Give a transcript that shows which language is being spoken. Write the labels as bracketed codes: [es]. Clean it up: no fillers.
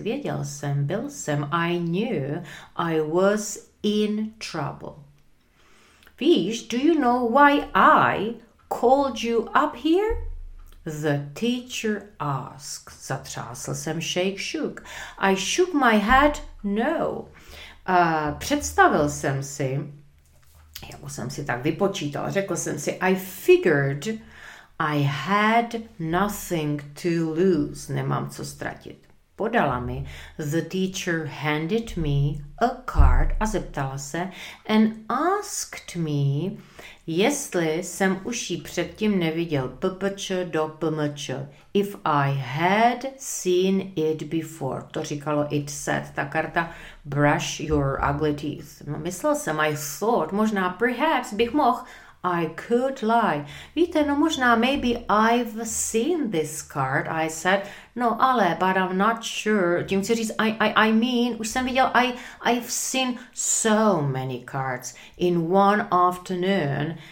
[cs] Věděl jsem, byl jsem, [en] I knew I was in trouble. [cs] Víš, [en] do you know why I called you up here? The teacher asked. [cs] Zatřásl jsem, [en] shook. I shook my head, no. [cs] Představil jsem si, jako jsem si tak vypočítal, řekl jsem si, [en] I figured I had nothing to lose, [cs] nemám co ztratit. Podala mi, [en] the teacher handed me a card [cs] a zeptala se [en] and asked me, [cs] jestli jsem už ji předtím neviděl, [en] ppč do pmč, if I had seen it before. [cs] To říkalo, [en] it said, [cs] ta karta, [en] brush your ugly teeth. [cs] No, myslel jsem, [en] I thought, [cs] možná, [en] perhaps, [cs] bych mohl, [en] I could lie. [cs] Víte, no možná, [en] maybe I've seen this card, I said, [cs] no ale, [en] but I'm not sure. [cs] Tím chci říct, [en] I mean, [cs] už jsem viděl, [en] I've seen so many cards in one afternoon.